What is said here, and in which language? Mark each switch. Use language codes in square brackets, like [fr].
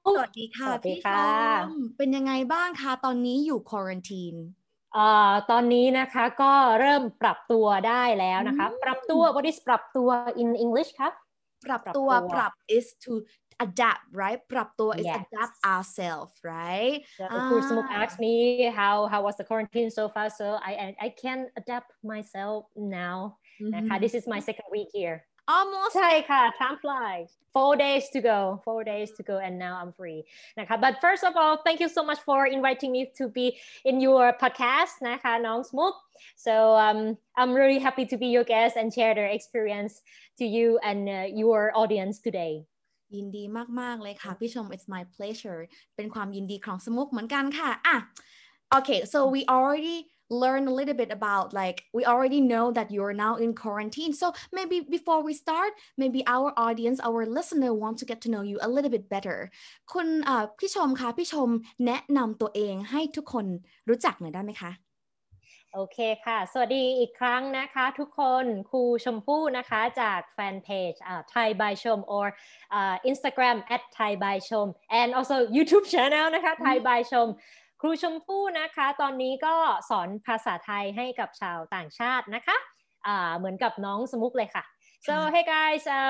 [th] สวัสดีค่ะพี่ชมเป็นยังไงบ้างคะตอนนี้อยู่ควอรันทีน ตอนนี้นะคะก็เริ่มปรับตัวได้แล้วนะคะปรับตัว [en] What is [th] ปรับตัว [en] in English [th] ครับ [en] ปรับตัวปรับ is to adapt right ปรับตัว is adapt ourselves right Of course Smoke asked me how was the quarantine so far so I can adapt myself now นะคะ This is my second week here Almost. [th] ใช่ค่ะ [en] time flies. Four days to go and now I'm free. นะคะ but first of all, thank you so much for inviting me to be in your podcast, นะคะน้องสมุก So I'm really happy to be your guest and share their experience to you and your audience today. [th] ยินดีมากๆเลยค่ะพี่ชม [en] it's my pleasure. [th] เป็นความยินดีของสมุกเหมือนกันค่ะ [en] Okay, so we alreadyLearn a little bit about like we already know that you're now in quarantine. So maybe before we start, maybe our audience, our listener, want to get to know you a little bit better. [th] คุณพี่ชมคะพี่ชมแนะนำตัวเองให้ทุกคนรู้จักหน่อยได้ไหมคะ โอเคค่ะสวัสดีอีกครั้งนะคะทุกคนครูชมพู่นะคะจากแฟนเพจThai by Chom [en] or Instagram @ThaiByChom and also YouTube channel [th] นะคะ Thai by Chomครูชมพู่นะคะตอนนี้ก็สอนภาษาไทยให้กับชาวต่างชาตินะคะเหมือนกับน้องสมุกเลยค่ะ [en] So hey guys